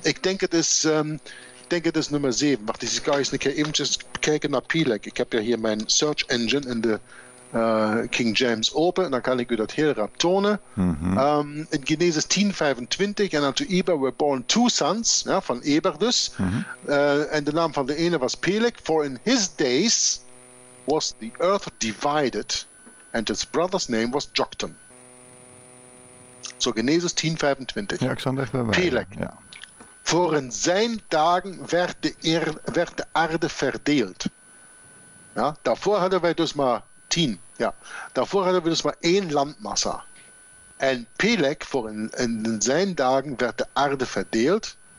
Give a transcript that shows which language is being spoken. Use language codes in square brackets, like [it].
[nl] Ik denk het is nummer 7. Wacht, ik ga eens een keer eventjes kijken naar Pilek. Ik heb ja hier mijn search engine in de King James open en dan kan ik u dat heel rap tonen. Mm-hmm. [en] In Genesis 10:25 en unto Eber were born two sons, [nl] ja, van Eber dus. En de naam van de ene was Pelek. [en] For in his days was the earth divided and his brother's name was Joktan. So Genesis 10:25. [nl] Ja, ik zal echt bij Pelek. Ja. Voor in zijn dagen werd de aarde verdeeld. Ja, daarvoor hadden wij dus maar 10, ja. Daarvoor hadden we dus maar één landmassa. En Pelek, voor in zijn dagen, werd de aarde verdeeld.